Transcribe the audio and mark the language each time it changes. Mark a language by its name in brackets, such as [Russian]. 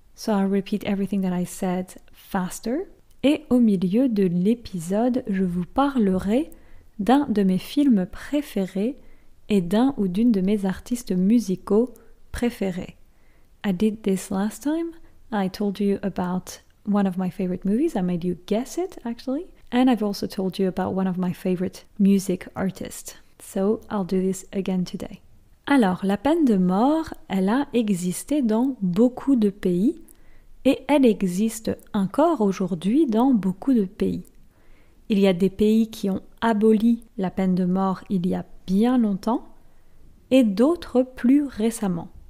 [English] So I'll repeat everything that I said faster. [French] Et au milieu de l'épisode, je vous parlerai d'un de mes films préférés et d'un ou d'une de mes artistes musicaux préférés. [English] I did this last time. I told you about one of my favorite movies. I made you guess it, actually. And I've also told you about one of my favorite music artists. So I'll do this again today. [French] Alors, la peine de mort, elle a existé dans beaucoup de pays et elle existe encore aujourd'hui dans beaucoup de pays. Il y a des pays qui ont aboli la peine de mort il y a bien longtemps et d'autres plus récemment.